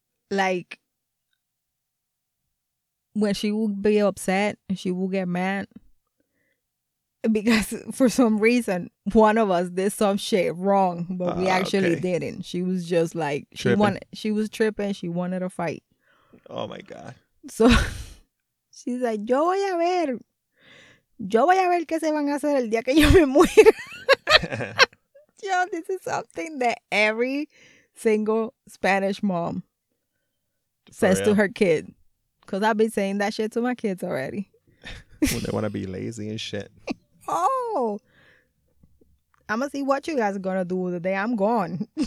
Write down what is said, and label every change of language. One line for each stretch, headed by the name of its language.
English: Like when she would be upset and she would get mad because for some reason one of us did some shit wrong, but we actually didn't. She was just like tripping. she was tripping, she wanted a fight. Oh my God. So she's like,
Spanish: yo voy a ver que se van a hacer el día que yo me muera.
English: Yo, this is something that every single Spanish mom says to her kid, because I've been saying that shit to my kids already. When they want to be lazy and shit. Oh, I'm gonna see what you guys are gonna do the day I'm gone.